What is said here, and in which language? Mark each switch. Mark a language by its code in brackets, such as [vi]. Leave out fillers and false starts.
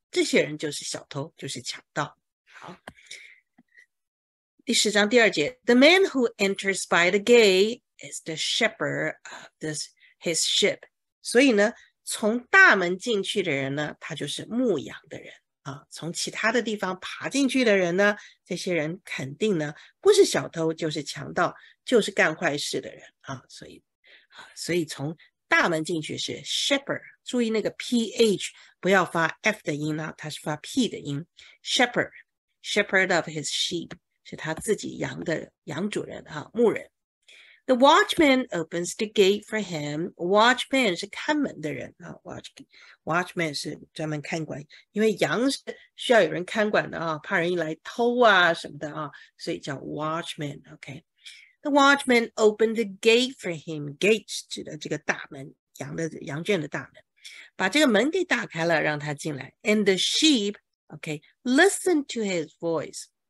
[zh] 这些人就是小偷，就是强盗。好，第十章第二节： [en] The man who enters by the gate is the shepherd of his sheep。 [zh] 所以呢，从大门进去的人呢，他就是牧羊的人啊。从其他的地方爬进去的人呢，这些人肯定呢，不是小偷，就是强盗，就是干坏事的人啊。所以从大门进去是 shepherd。注意那个 ph 不要发 f 的音啊，它是发 p 的音。 [en] Shepherd of his sheep [zh] 是他自己羊的羊主人哈、啊，牧人。 [en] The watchman opens the gate for him. [zh] Watchman 是看门的人啊，watchman 是专门看管，因为羊是需要有人看管的啊，怕人一来偷啊什么的啊，所以叫 watchman。 [en] OK，the watchman opened the gate for him. [zh] Gate 指的这个大门，羊圈的大门。把这个门给打开了，让他进来。 [en] And the sheep, okay, listen to his voice.